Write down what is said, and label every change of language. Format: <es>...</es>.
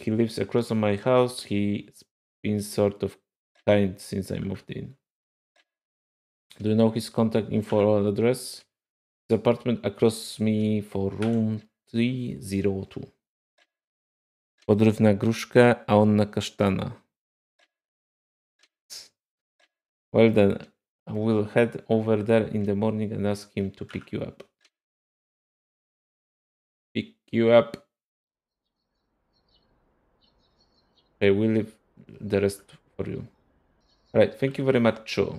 <en>He lives across from my house. He's been sort of kind since I moved in. Do you know his contact info or address? His apartment across me for room 302.</en> <pl>Podryw na gruszkę, a on na kasztana.</pl> <en>Well then, I will head over there in the morning and ask him to pick you up. Pick you up. Okay, we'll leave the rest for you. Alright, thank you very much.</en>